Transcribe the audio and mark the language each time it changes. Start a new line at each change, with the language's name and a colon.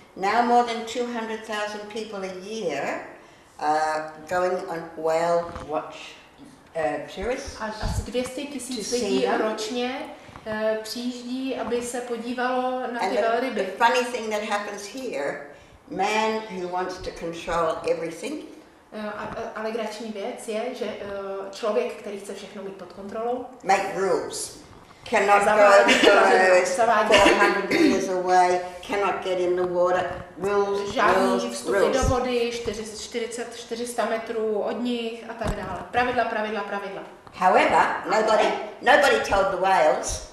English: Now more than 200,000 people a year are going on whale watch tourists.
Czech: Asi 200,000 lidí ročně přijíždí, aby se podívalo na
English: and
Czech: ty velryby.
English: The funny thing that happens here, man who wants to control everything.
Czech: Ale legrační věc je, že člověk, který chce všechno mít pod kontrolou,
English: make rules. Cannot go 400 meters away, cannot get in the water, rules,
Czech: žádný vstupy rules. Do vody, 400 metrů od nich a tak dále. Pravidla.
English: However, nobody told the whales.